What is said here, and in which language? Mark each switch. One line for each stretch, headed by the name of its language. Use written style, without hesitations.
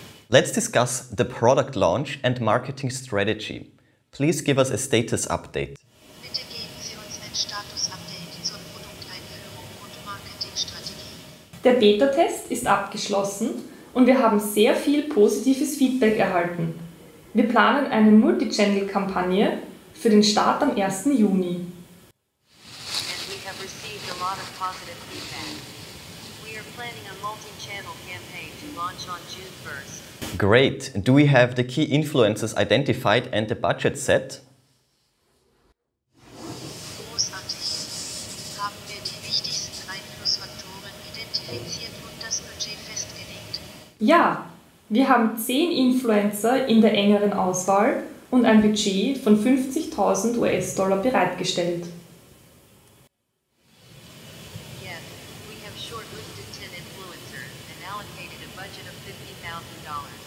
English: Let's discuss the product launch and marketing strategy. Please give us a status update.
German: Bitte geben Sie uns ein Status-Update zur Produkteinführung und Marketingstrategie. Der Beta-Test ist abgeschlossen und wir haben sehr viel positives Feedback erhalten. Wir planen eine Multi-Channel-Kampagne für den Start am 1. Juni.
English: And we have received a lot of positive feedback. We are planning a multi-channel campaign to launch on June 1st. Great. Do we have the key influencers identified and the budget set?
German: Großartig. Haben wir die wichtigsten Einflussfaktoren identifiziert und das Budget festgelegt? Ja. Wir haben 10 Influencer in der engeren Auswahl und ein Budget von 50.000 US-Dollar bereitgestellt.
English: Yes, we have shortlisted 10 influencers and allocated a budget of $50,000.